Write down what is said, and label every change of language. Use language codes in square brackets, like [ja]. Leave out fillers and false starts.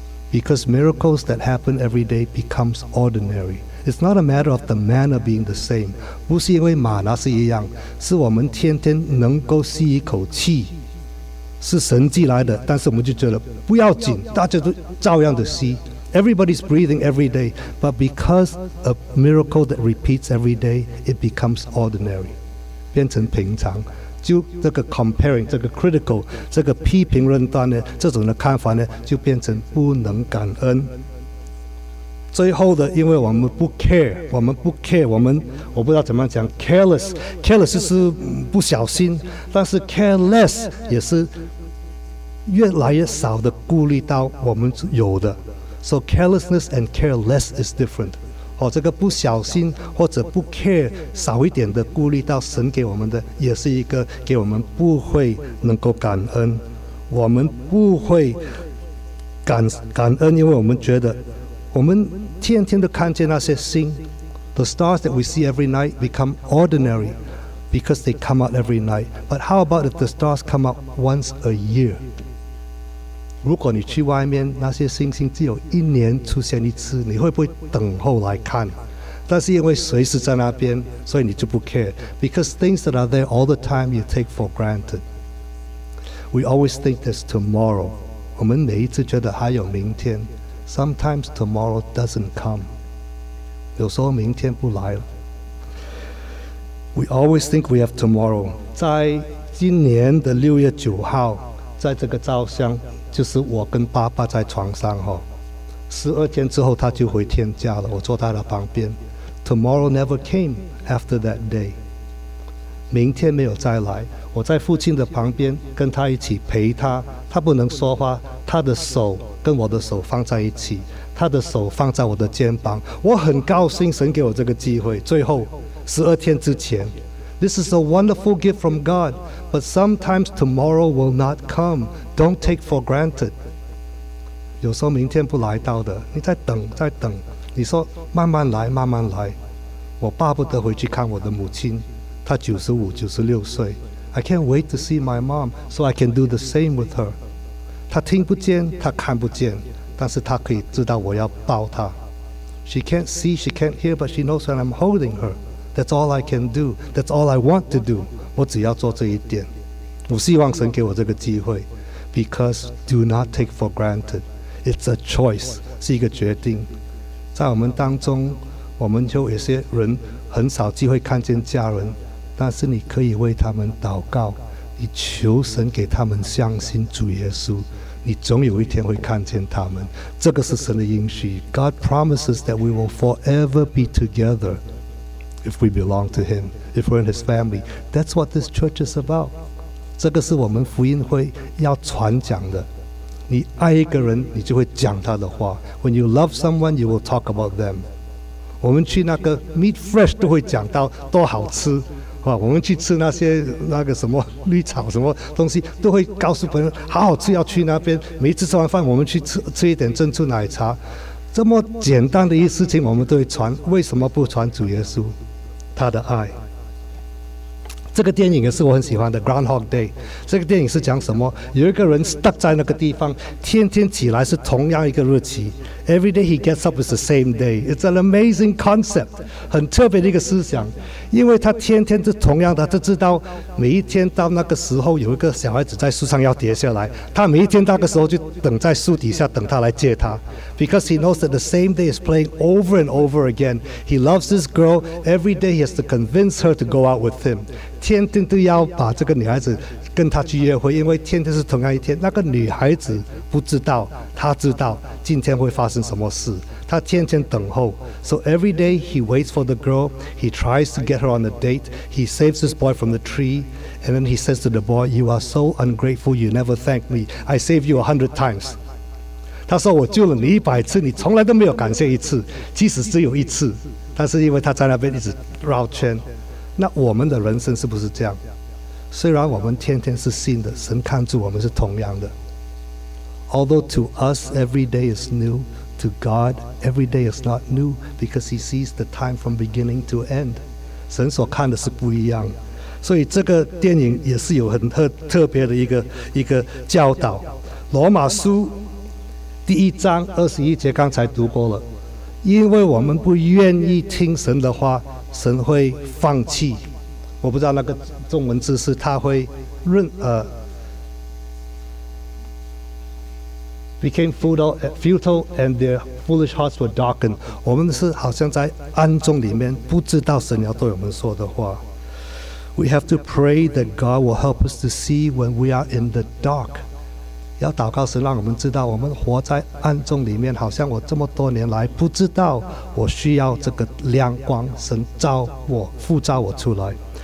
[en] Because miracles that happen every day becomes ordinary. It's not a matter of the manna being the same. [zh] 不是因为玛拿是一样，是我们天天能够吸一口气。是神迹来的，但是我们就觉得不要紧，大家都照样的吸。 [en] Everybody's breathing every day, but because a miracle that repeats every day, it becomes ordinary, [zh] 变成平常。就这个 comparing, 这个 critical, 这个批评论断呢，这种的看法呢，就变成不能感恩。最后的，因为我们不 care, 我们不 care, 我不知道怎么讲 careless 就是不小心，但是 careless 也是越来越少的顾虑到我们有的。 [en] So carelessness and careless is different. [zh] 哦，这个不小心或者不 care 少一点的顾虑到神给我们的，也是一个给我们不会能够感恩。我们不会感恩，因为我们觉得。我们天天都看见那些星 [en] The stars that we see every night become ordinary because they come out every night. But how about if the stars come out once a year? 如果你去外面，那些星星只有一年出现一次，你会不会等候来看？但是因为随时在那边，所以你就不 care. Because things that are there all the time you take for granted. We always think there's tomorrow. [zh] 我们每一次觉得还有明天。 [en] Sometimes tomorrow doesn't come. [zh] 有时候明天不来了。 [en] We always think we have tomorrow. [zh] 在今年的六月九号，在这个照相，就是我跟爸爸在床上哈。十二天之后他就回天家了，我坐在他旁边。 [en] Tomorrow never came after that day. [zh] 明天没有再来。我在父亲的旁边跟他一起陪他，他不能说话，他的手跟我的手放在一起，他的手放在我的肩膀。我很高兴神给我这个机会。最后十二天之前 [en] This is a wonderful gift from God, but sometimes tomorrow will not come. Don't take for granted. [zh] 有时候明天不来到的，你在等，在等，你说慢慢来，慢慢来。我巴不得回去看我的母亲，她95、96岁。 [en] I can't wait to see my mom so I can do the same with her. [zh] 她听不见，她看不见，但是她可以知道我要抱她。 [en] She can't see, she can't hear, but she knows when I'm holding her. That's all I can do. That's all I want to do. [zh] 我只要做这一点。我希望神给我这个机会。 [en] Because do not take for granted. It's a choice. [zh] 是一个决定。在我们当中，我们就有些人很少机会看见家人。但是你可以为他们祷告，你求神给他们相信主耶稣，你总有一天会看见他们。这个是神的应许。 [en] God promises that we will forever be together if we belong to Him, if we're in His family. That's what this church is about. [zh] 这个是我们福音会要传讲的。你爱一个人，你就会讲他的话。 [en] When you love someone, you will talk about them. [zh] 我们去那个 Meat Fresh 都会讲到多好吃。我们去吃那些那个什么绿草什么东西，都会告诉朋友好好吃，要去那边。每次吃完饭，我们去 吃一点珍珠奶茶。这么简单的一事情，我们都会传，为什么不传主耶稣他的爱？这个电影也是我很喜欢的 Groundhog Day。这个电影是讲什么？有一个人 stuck 在那个地方，天天起来是同样一个日期， [en] Every day he gets up is the same day. It's an amazing concept， [zh] 很特别的一个思想。因为他天天是同样的，他知道每一天到那个时候有一个小孩子在树上要跌下来，他每一天到那个时候就等在树底下等他来接他。 [en] Because he knows that the same day is playing over and over again. He loves this girl. Every day he has to convince her to go out with him. [zh] 天天都要把这个女孩子跟他去约会，因为天天是同样一天。那个女孩子不知道，他知道今天会发生什么事，他天天等候。 [en] So every day he waits for the girl. He tries to get her on a date. He saves this boy from the tree. And then he says to the boy, "You are so ungrateful, you never thank me. I saved you 100 times. [zh] 他说我救了你100次，你从来都没有感谢一次，即使只有一次。但是因为他在那边一直绕圈。那我们的人生是不是这样？虽然我们天天是新的，神看住我们是同样的。 [en] Although to us every day is new,to God, every day is not new because He sees the time from beginning to end. [zh] 神所看的是不一样，所以这个电影也是有很特别的一个教导。罗马书第一章21节刚才读过了，因为我们不愿意听神的话，神会放弃。我不知道那个中文字是他会认 [en] became futile and their foolish hearts were darkened. [zh] 我们是好像在暗中里面不知道神要对我们说的话。 [en] We have to pray that God will help us to see when we are in the dark. [zh] 要祷告神让我们知道我们活在暗中里面，好像我这么多年来不知道我需要这个亮光，神照我复照我出来。